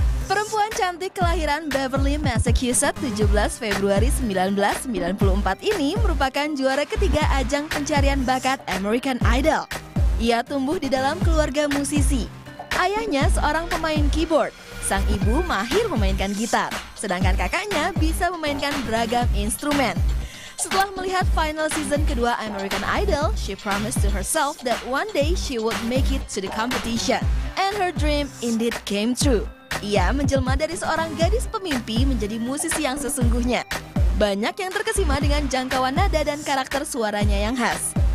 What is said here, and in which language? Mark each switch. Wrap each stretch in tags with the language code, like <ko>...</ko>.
<id>Perempuan cantik kelahiran Beverly, Massachusetts 17 Februari 1994 ini merupakan juara ketiga ajang pencarian bakat American Idol. Ia tumbuh di dalam keluarga musisi. Ayahnya seorang pemain keyboard, sang ibu mahir memainkan gitar, sedangkan kakaknya bisa memainkan beragam instrumen. Setelah melihat final season kedua American Idol,</id> <en>she promised to herself that one day she would make it to the competition. And her dream indeed came true.</en> <id>Ia menjelma dari seorang gadis pemimpi menjadi musisi yang sesungguhnya. Banyak yang terkesima dengan jangkauan nada dan karakter suaranya yang khas.</id>